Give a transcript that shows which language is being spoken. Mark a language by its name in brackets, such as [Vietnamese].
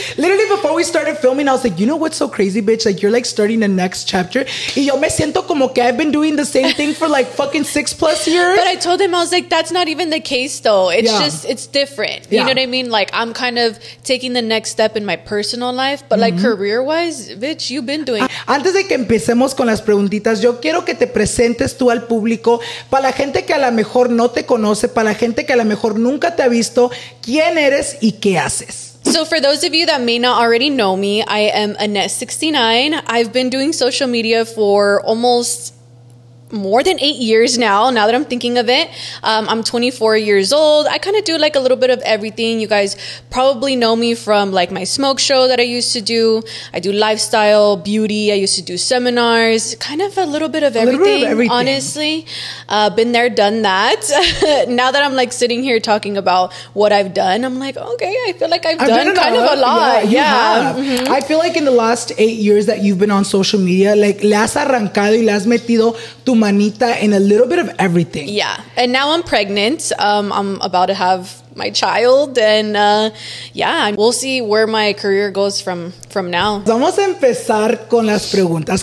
[English] Literally, before we started filming, I was like, you know what's so crazy, bitch? Like, you're like starting the next chapter. [Spanish] Y yo me siento como que [English] I've been doing the same thing for like fucking 6+ years. But I told him, I was like, that's not even the case though. It's just, it's different. You know what I mean? Like, I'm kind of taking the next step in my personal life, but like career wise, bitch, you've been doing. [Spanish] Antes de que empecemos con las preguntitas, yo quiero que te presentes tú al público, para la gente que a lo mejor no te conoce, para la gente que a lo mejor nunca te ha visto, ¿quién eres y qué haces? [English] So for those of you that may not already know me, I am Annette69. I've been doing social media for almost more than 8 years now that I'm thinking of it. I'm 24 years old. I kind of do like a little bit of everything. You guys probably know me from like my smoke show that I used to do. I do lifestyle, beauty. I used to do seminars, kind of a little bit of everything, honestly. Been there, done that. Now that I'm like sitting here talking about what I've done, I'm like, okay, I feel like I've done kind of a lot. I feel like in the last 8 years that you've been on social media, like, [Spanish] le has arrancado y le has metido tu manita [English] in a little bit of everything. Yeah. And now I'm pregnant. I'm about to have my child, and we'll see where my career goes from now. [Spanish] Vamos a empezar con las preguntas.